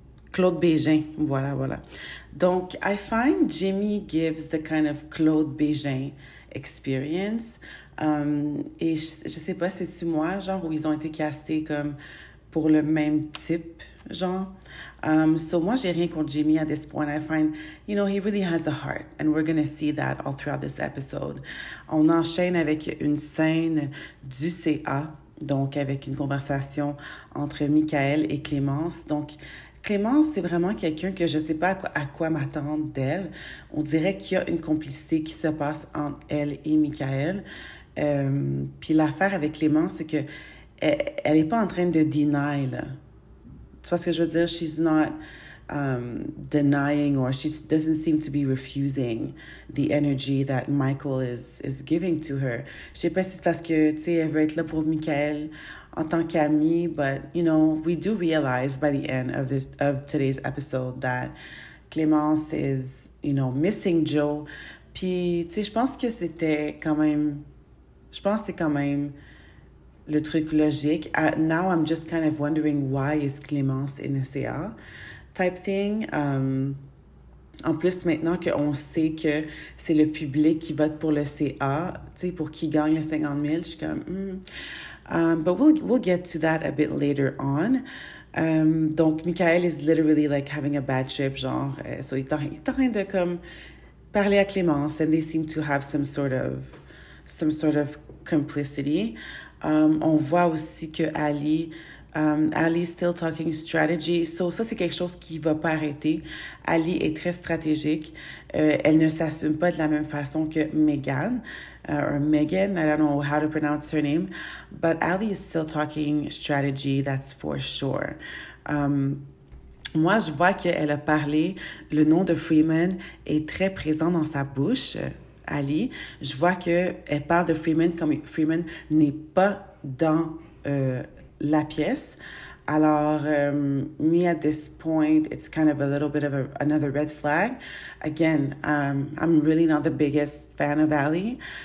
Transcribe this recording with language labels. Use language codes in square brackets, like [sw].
[en] Claude Bégin. [fr] Voilà. Donc, [en] I find Jimmy gives the kind of Claude Bégin experience. [fr] Et je sais pas, c'est-tu moi, genre, où ils ont été castés comme pour le même type, genre. [en] So, [fr] moi, j'ai rien contre [en] Jimmy at this point. I find, he really has a heart. And we're going to see that all throughout this episode. [fr] On enchaîne avec une scène du CA, donc avec une conversation entre Michael et Clémence. Donc, Clémence, c'est vraiment quelqu'un que je ne sais pas à quoi m'attendre d'elle. On dirait qu'il y a une complicité qui se passe entre elle et Michael. Puis l'affaire avec Clémence, c'est que elle n'est pas en train de deny, là. Tu vois ce que je veux dire? [en] She's not denying or she doesn't seem to be refusing the energy that Michael is giving to her. [fr] Je sais pas si c'est parce que, tu sais, elle veut être là pour Michael en tant qu'amie, [en] but we do realize by the end of today's episode that Clémence is, missing Joe. [fr] Puis, tu sais, je pense que c'était quand même, je pense que c'est quand même le truc logique. [en] Now I'm just kind of wondering why is Clémence in the CA type thing. [fr] En plus, maintenant qu'on sait que c'est le public qui vote pour le CA, tu sais, pour qui gagne les 50 000, je suis comme, [en] but we'll get to that a bit later on. Donc, Michael is literally like having a bad trip, genre, so [fr] il est en train de comme parler à [en] Clémence and they seem to have some sort of complicity. [fr] On voit aussi que Ali [en] is still talking strategy. [fr] So, ça, c'est quelque chose qui va pas arrêter. Ali est très stratégique. Elle ne s'assume pas de la même façon que Megan, or Megan. [en] I don't know how to pronounce her name. But Ali is still talking strategy, that's for sure. [fr] Moi, je vois qu'elle a parlé. Le nom de Freeman est très présent dans sa bouche. Ali, je vois qu'elle parle de Freeman comme Freeman n'est pas dans la pièce. [en] Alors, me at this point, it's kind of a little bit of another red flag. Again, I'm really not the biggest fan of Ali.